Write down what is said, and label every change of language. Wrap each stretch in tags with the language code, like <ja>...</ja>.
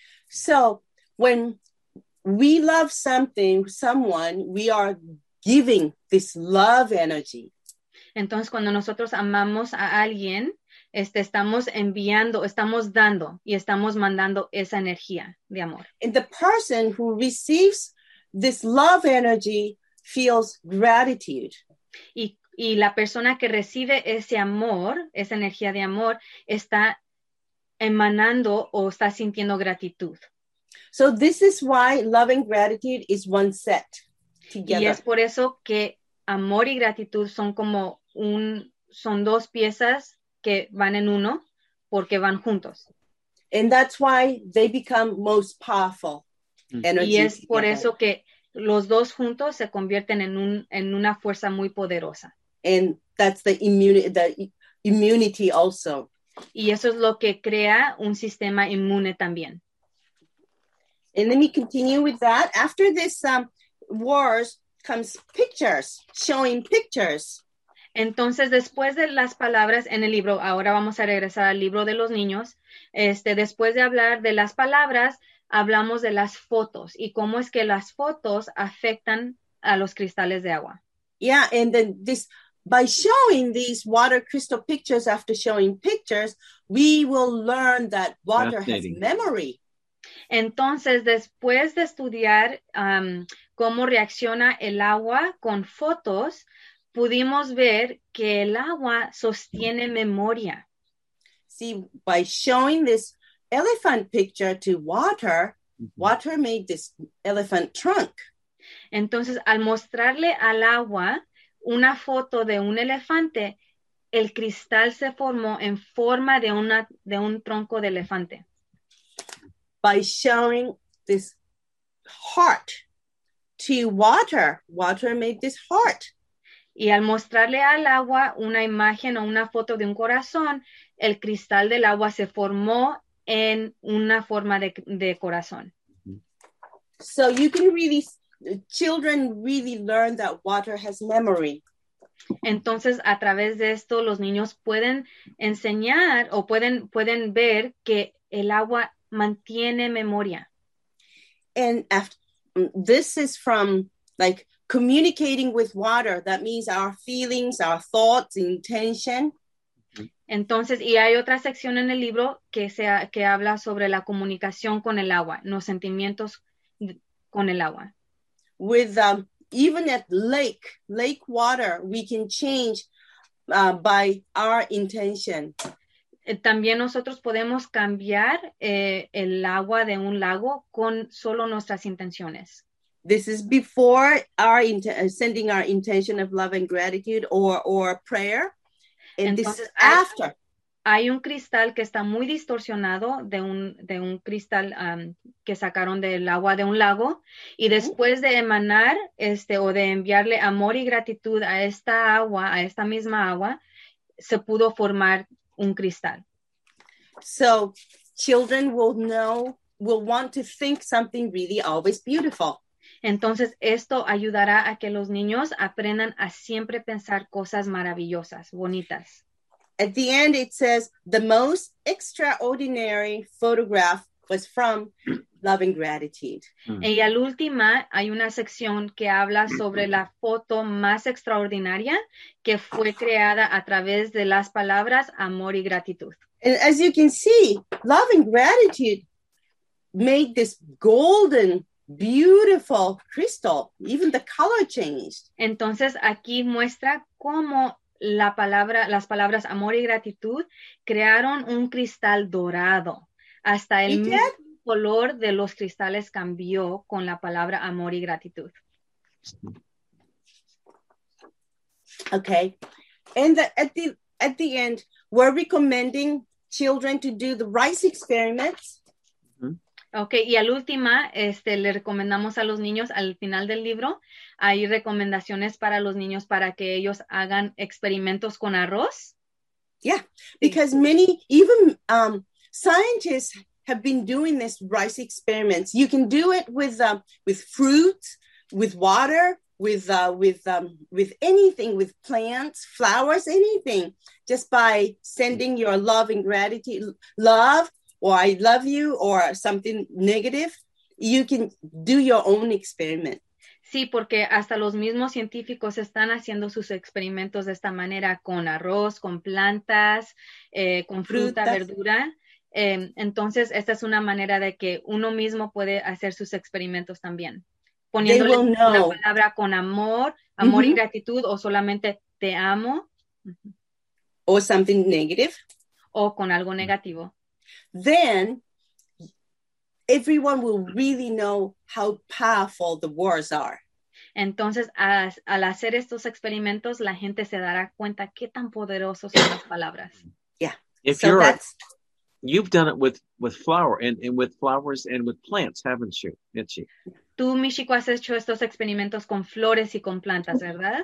<en>So, when we love something, someone, we are giving this love energy.</en> <es>Entonces, cuando nosotros amamos a alguien, estamos enviando, estamos dando y estamos mandando esa energía de amor.</es> <en>And the person who receives this love energy feels gratitude.</en> <es>Y la persona que recibe ese amor, esa energía de amor, está emanando o está sintiendo gratitud.</es> <en>So this is why love and gratitude is one set together.</en> <es>Y es por eso que amor y gratitud son como son dos piezas que van en uno porque van juntos.</es> <en>And that's why they become most powerful energy.</en> <es>Y es por eso que los dos juntos se convierten en una fuerza muy poderosa.</es> <en>And that's the immunity also.</en> <es>Y eso es lo que crea un sistema inmune también.</es> <en>And let me continue with that. After this wars comes pictures, showing pictures.</en> <es>Entonces, después de las palabras en el libro, ahora vamos a regresar al libro de los niños. Después de hablar de las palabras, hablamos de las fotos y cómo es que las fotos afectan a los cristales de agua.</es> <en>Yeah, and then this by showing these water crystal pictures after showing pictures, we will learn that water has memory.</en> <es>Entonces, después de estudiar cómo reacciona el agua con fotos, pudimos ver que el agua sostiene memoria.</es> <en>See, by showing this elephant picture to water, mm-hmm. water made this elephant trunk.</en> <es>Entonces, al mostrarle al agua una foto de un elefante, el cristal se formó en forma de un tronco de elefante.</es> <en>By showing this heart to water, water made this heart.</en> <es>Y al mostrarle al agua una imagen o una foto de un corazón, el cristal del agua se formó en una forma de corazón.</es> <en>So you can really, children really learn that water has memory.</en> <es>Entonces, a través de esto, los niños pueden enseñar o pueden ver que el agua mantiene memoria.</es> <en>And after, this is from like communicating with water. That means our feelings, our thoughts, intention.</en> <es>Entonces, y hay otra sección en el libro que habla sobre la comunicación con el agua, los sentimientos con el agua.</es> <en>With even at lake water, we can change by our intention.</en> <es>También nosotros podemos cambiar el agua de un lago con solo nuestras intenciones.</es> <en>This is before our sending our intention of love and gratitude or prayer. And this is after.</en> <es>Hay un cristal que está muy distorsionado de un cristal que sacaron del agua de un lago. Y después de emanar o de enviarle amor y gratitud a esta agua, a esta misma agua, se pudo formar un cristal.</es> <en>So children will want to think something really always beautiful.</en> <es>Entonces esto ayudará a que los niños aprendan a siempre pensar cosas maravillosas, bonitas.</es> <en>At the end it says the most extraordinary photograph was from love and gratitude. Mm-hmm.</en> <es>Y al último hay una sección que habla sobre la foto más extraordinaria que fue creada a través de las palabras amor y gratitud.</es> <en>And as you can see, love and gratitude made this golden, beautiful crystal. Even the color changed.</en> <es>Entonces aquí muestra cómo las palabras amor y gratitud crearon un cristal dorado. Hasta el color de los cristales cambió con la palabra amor y gratitud. Okay.</es> <en>And at the end, we're recommending children to do the rice experiments. Mm-hmm. Okay.</en> <es>Y al último, le recomendamos a los niños, al final del libro, hay recomendaciones para los niños para que ellos hagan experimentos con arroz. Yeah.</es> <en>Because many, even scientists have been doing this rice experiments. You can do it with fruit, with water, with anything, with plants, flowers, anything. Just by sending your love and gratitude, love, or I love you, or something negative, you can do your own experiment.</en> <es>Sí, porque hasta los mismos científicos están haciendo sus experimentos de esta manera, con arroz, con plantas, con fruta, verdura. Entonces, esta es una manera de que uno mismo puede hacer sus experimentos también. Poniéndole una palabra con amor mm-hmm. y gratitud, o solamente te amo.</es> <en>O something negative.</en> <es>O con algo negativo.</es> <en>Then, everyone will really know how powerful the words are.</en> <es>Entonces, al hacer estos experimentos, la gente se dará cuenta qué tan poderosos son las palabras. Yeah.</es> <en>You've done it with flower and with flowers and with plants, haven't you, Michi?</en> <es>Tú, Michiko, has hecho estos experimentos con flores y con plantas, ¿verdad?</es>